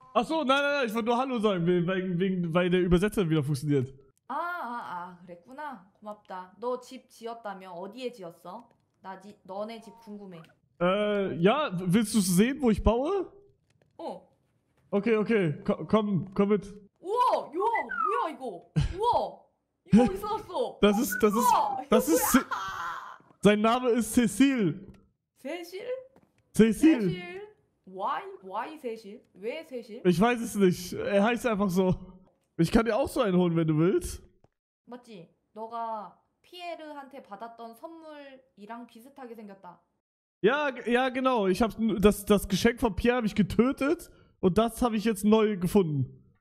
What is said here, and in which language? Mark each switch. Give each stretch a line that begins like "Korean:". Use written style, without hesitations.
German: Ach so, nein, ich wollte nur Hallo sagen, weil der Übersetzer wieder funktioniert.
Korean: 아, 그랬구나. 고맙다. 너 집 지었다며 어디에 지었어? 너네 집 궁금해.
German: Ja, willst du sehen, wo ich baue?
Korean: 어.
German: Okay, komm mit.
Korean: 우와, 우와, 뭐야 이거? 우와! 이거 있었어!
German: Das ist. Sein Name ist Cecil! Cecil?
English: Why Cecil?
German: Wer Cecil? Ich weiß es nicht. Er heißt einfach so. Ich kann dir auch so einen holen, wenn du willst.
Korean: 맞지? 너가 피에르한테 받았던 선물이랑 비슷하게 생겼다.
German: Ja, genau. Ich hab das Geschenk von Pierre habe ich getötet und das habe ich jetzt neu gefunden.